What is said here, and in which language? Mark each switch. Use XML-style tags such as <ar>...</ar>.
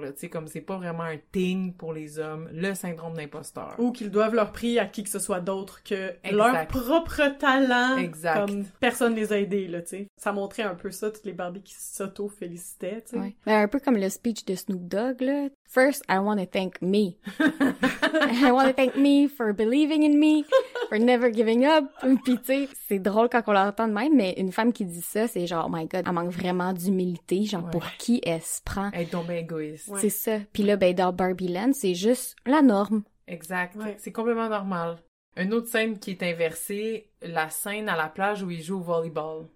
<fr>Tu sais, comme c'est pas vraiment un thing pour les hommes, le syndrome d'imposteur. Ou qu'ils doivent leur prix à qui que ce soit d'autre que leur propre talent. Exact. Comme personne les a aidés. Là, ça montrait un peu ça, toutes les Barbies qui s'auto-félicitaient. Ouais. Ben, un peu comme le speech de Snoop Dogg.</fr> <en>Là. First, I want to thank me. I want to thank me for believing in me, for never giving up.</en> <fr>Puis, tu sais, c'est drôle quand on l'entend de même, mais une femme qui dit ça, c'est genre,</fr> <en>oh my god,</en> <fr>elle manque vraiment d'humilité. Genre, pour qui elle se prend? Elle est tombée égoïste. Ouais. C'est ça. Puis là, ben, dans Barbie Land, c'est juste la norme. Exact. Ouais. C'est complètement normal. Une autre scène qui est inversée, la scène à la plage où ils jouent au volleyball.</fr>